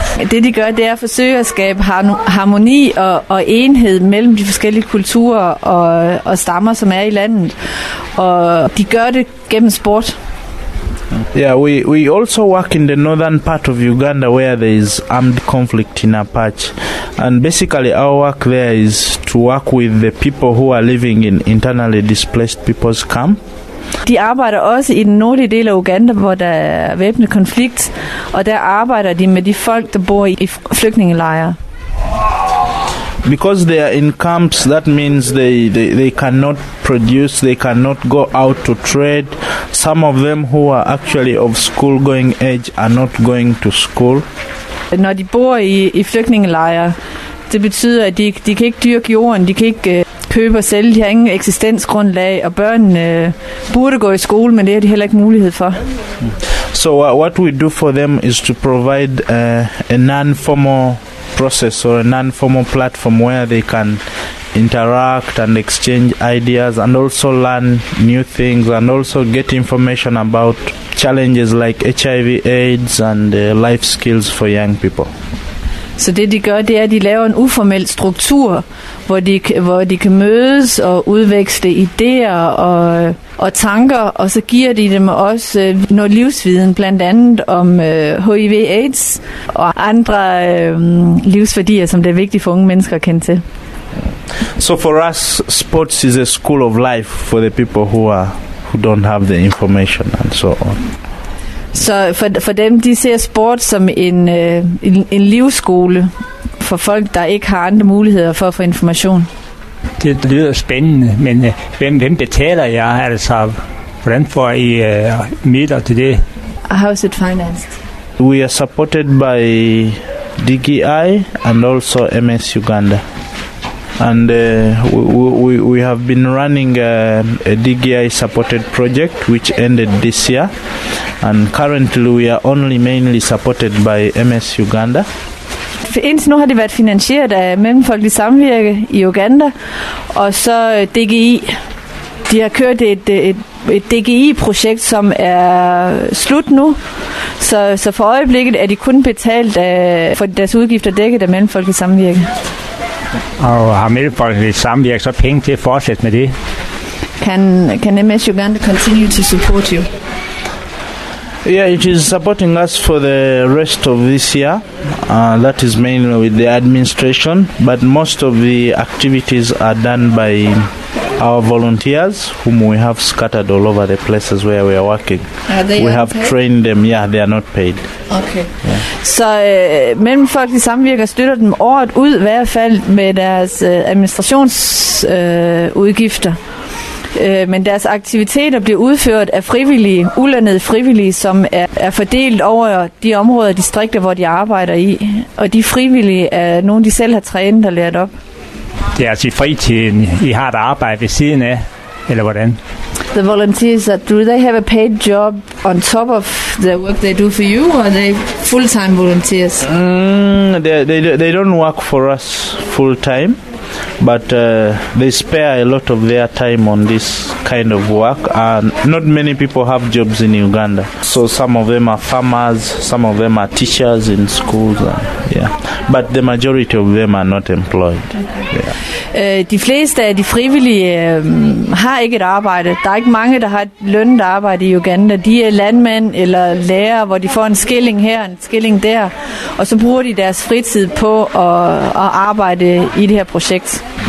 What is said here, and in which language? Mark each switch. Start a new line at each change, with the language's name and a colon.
Danish: Det de gør, det er at forsøge at skabe harmoni og enhed mellem de forskellige kulturer og stammer, som er i landet. Og de gør det gennem sport.
English: Yeah, we also work in the northern part of Uganda where there is armed conflict in Apache. And basically our work there is to work with the people who are living in internally displaced people's camp.
Danish: De arbejder også i den nordlige del af Uganda, hvor der er væbnet konflikt, og der arbejder de med de folk, der bor i flygtningelejre.
English: Because they are in camps, that means they cannot produce, they cannot go out to trade. Some of them who are actually of school going age are not going to school.
Danish: Når de bor i flygtningelejre, det betyder, at de kan ikke dyrke jorden, de kan ikke købe og sælge, de har ingen eksistensgrundlag, og børnene burde gå i skole, men det har de heller ikke mulighed for.
English: So what we do for them is to provide a non-formal process or a non-formal platform where they can interact and exchange ideas and also learn new things and also get information about challenges like HIV AIDS and life skills for young people.
Danish: Så det de gør, det er at de laver en uformel struktur, hvor de kan mødes og udveksle ideer og tanker, og så giver de dem også noget livsviden, blandt andet om HIV AIDS og andre livsværdier, som det er vigtigt for unge mennesker at kende til.
English: So for us, sports is a school of life for the people who don't have the information and so on.
Danish: Så for dem, de ser sport som en livsskole for folk, der ikke har andre muligheder for at få information. Det lyder spændende, men hvem betaler jer? Altså, hvordan får I midler til det?
English: How is it financed? We are supported by DGI and also MS Uganda. And we have been running a DGI supported project which ended this year. And currently we are only mainly supported by MS Uganda.
Danish: Indtil nu har det været finansieret af Mellemfolkeligt Samvirke i Uganda, og så DGI. De har kørt et DGI-projekt, som er slut nu. Så for øjeblikket er de kun betalt for deres udgifter dækket af Mellemfolkeligt Samvirke. Og har Mellemfolkeligt Samvirke så penge til at fortsætte med det? Kan
English: MS Uganda continue to support you? Yeah, it is supporting us for the rest of this year. That is mainly with the administration, but most of the activities are done by our volunteers, whom we have scattered all over the places where we are working. We have trained them. Yeah, they are not paid. Okay. Yeah.
Danish: Så Mellemfolkeligt Samvirke støtter dem året ud, i hvert fald med deres administrationsudgifter. Men deres aktiviteter bliver udført af frivillige, ulønnede frivillige, som er fordelt over de områder og distrikter, hvor de arbejder i. Og de frivillige er nogen, de selv har trænet og lært op. Det er altså i fritiden, I har et arbejde ved siden af, eller hvordan?
English: The volunteers, do they have a paid job on top of the work they do for you, or are they full-time volunteers? They don't work for us full-time. But they spare a lot of their time on this kind of work, and not many people have jobs in Uganda. So some of them are farmers, some of them are teachers in schools. But the majority of them are not employed. Yeah.
Danish: De fleste af de frivillige har ikke et arbejde. Der er ikke mange, der har et lønnet arbejde i Uganda. De er landmænd eller lærere, hvor de får en skilling her og en skilling der. Og så bruger de deres fritid på at arbejde i det her projekt.